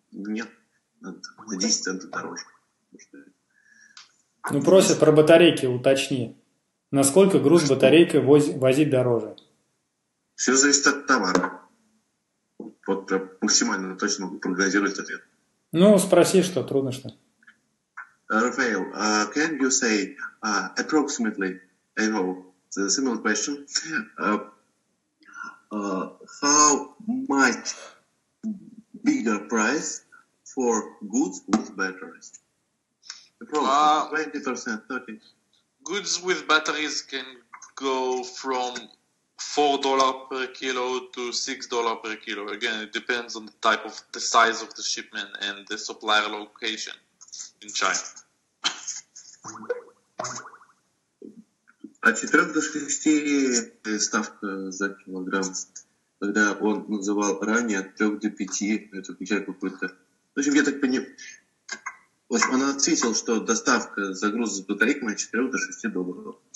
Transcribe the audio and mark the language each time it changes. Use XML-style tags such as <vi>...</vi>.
<ru>Нет, надо на 10 центов дороже. Ну, просят про батарейки, уточни. Насколько груз батарейкой возить дороже? Все зависит от товара. Вот прям максимально точно могу прогнозировать ответ. Ну, спроси, что трудно, что.</ru> <en>Rafael, can you say approximately, I know, it's a similar question, how much bigger price for goods with batteries? Approximately 20%, 30%. Goods with batteries can go from $4 per kilo to $6 per kilo. Again, it depends on the type of the size of the shipment and the supplier location in China.</en> <ru>А 4 до 6 ставка за килограмм, когда он называл ранее от 3 до 5, это включая какой-то. В общем, я так понимаю. В общем, он ответил, что доставка загруза с батарейками от 4 до 6 долларов.</ru>